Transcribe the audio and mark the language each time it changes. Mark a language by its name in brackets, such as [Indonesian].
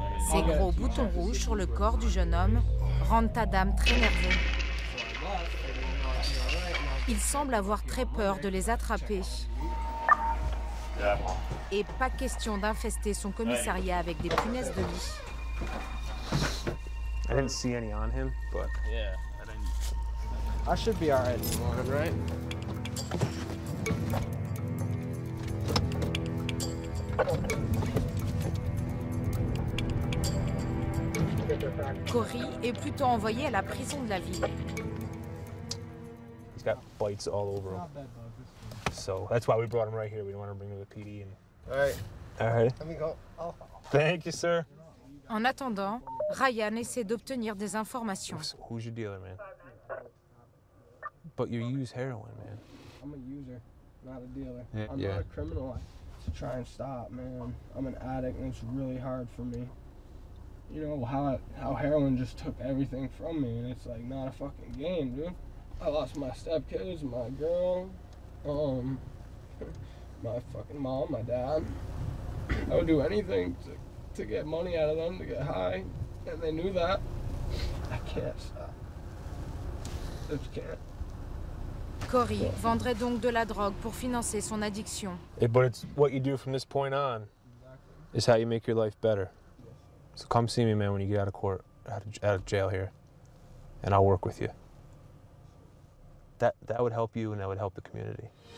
[French] Ces gros boutons rouges sur le corps du jeune homme rendent Adam très nerveux. Il semble avoir très peur de les attraper. Et pas question d'infester son commissariat avec des punaises de lit. [English] I didn't see any on him, but yeah, I should be all right in the morning, right? [French] Corey est plutôt envoyé à la prison de la ville. [English] He's got bites all over him. So that's why we brought him right here. We don't want to bring him to the PD. All right. Let me go. Thank you, sir. [French] En attendant, Ryan essaie d'obtenir des informations. [English] So who's your dealer, man? But you use heroin, man. I'm a user, not a dealer. Yeah. I'm not a criminal. To try and stop, man. I'm an addict, and it's really hard for me. You know how heroin just took everything from me, and it's like not a fucking game, dude. I lost my stepkids, my girl, my fucking mom, my dad. I would do anything to get money out of them, to get high, and they knew that. I can't stop. I just can't. [French] Corey vendrait donc de la drogue pour financer son addiction. [English] Hey, but it's what you do from this point on is how you make your life better. So come see me, man, when you get out of court, out of jail here, and I'll work with you. That would help you, and that would help the community.